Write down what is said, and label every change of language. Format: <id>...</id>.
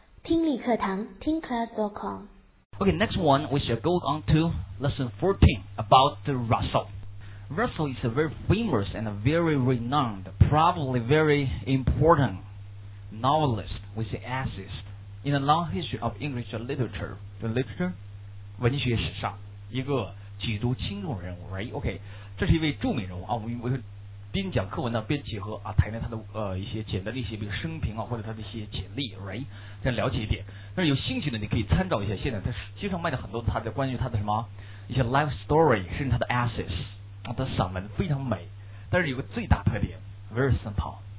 <zh>听力课堂，听 class.com。</zh> <en>Okay, next one, we shall go on to lesson 14 about the Russell. Russell is a very famous and a very renowned, probably very important novelist with the essayist in the long history of English literature. The literature?</en> <zh>文学史上一个举足轻重人物 right? Okay, 这是一位著名人物啊，我边讲课文呢边结合啊谈谈他的一些简单的一些比如生平啊或者他的一些简历 right 再了解一点，但是有兴趣的你可以参照一下，现在他街上卖的很多他的关于他的什么一些</zh> <en>life story</en> <zh>甚至他的 essays 啊，他散文非常美，但是有个最大特点</zh> <en>very simple</en>